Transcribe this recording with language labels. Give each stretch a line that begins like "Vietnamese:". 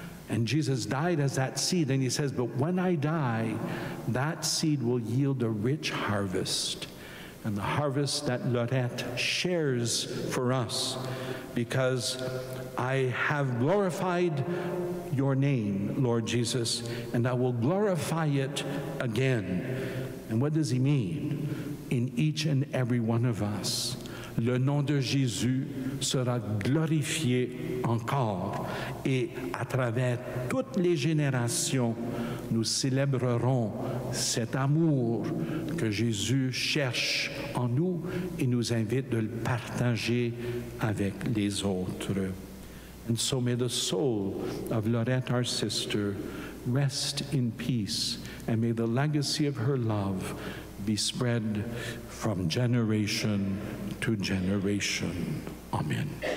English: And Jesus died as that seed, and he says, but when I die, that seed will yield a rich harvest, and the harvest that Lorette shares for us, because I have glorified your name, Lord Jesus, and I will glorify it again. And what does he mean? In each and every one of us,
French: le nom de Jésus sera glorifié encore, et à travers toutes les générations, nous célébrerons cet amour que Jésus cherche en nous et nous invite de le partager avec les autres.
English: And so may the soul of Lorette, our sister, rest in peace, and may the legacy of her love be spread from generation to generation. Amen.